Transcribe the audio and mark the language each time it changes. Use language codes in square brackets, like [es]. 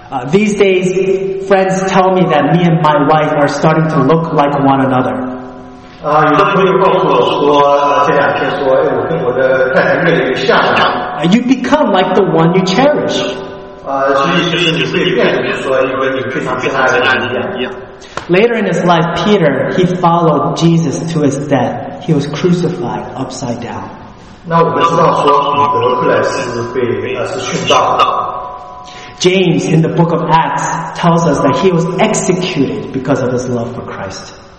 [en] These days, friends tell me that me and my wife are starting to look like one another. [zh] 有的朋友告诉我说，这两天说，我跟我的太太越来越像了。 [en] You become like the one you cherish. [zh] 所以就是你会变，比如说，因为你非常非常爱的人一样。 [en] Later in his life, Peter, he followed Jesus to his death. He was crucified upside down. [zh] 那我们知道说彼得后来是被是殉道的。 [en] James in the book of Acts tells us that he was executed because of his love for Christ.